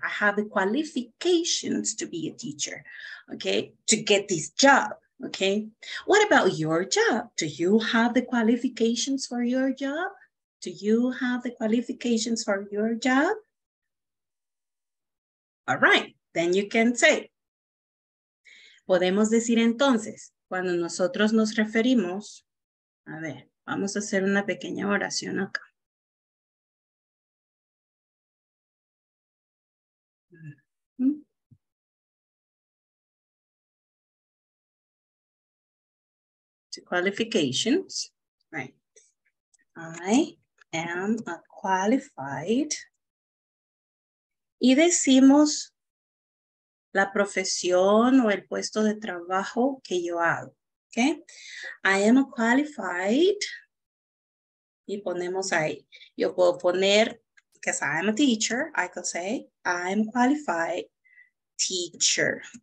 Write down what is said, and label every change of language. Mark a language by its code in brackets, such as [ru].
[en] I have the qualifications to be a teacher, okay? To get this job, okay? What about your job? Do you have the qualifications for your job? Do you have the qualifications for your job? All right, then you can say. [es] Podemos decir entonces, cuando nosotros nos referimos, a ver, vamos a hacer una pequeña oración acá. [en] To qualifications, right. I am a qualified. [es] Y decimos la profesión o el puesto de trabajo que yo hago, okay? [en] I am a qualified. [es] Y ponemos ahí. Yo puedo poner, [en] because I am a teacher, I could say, I am a qualified teacher.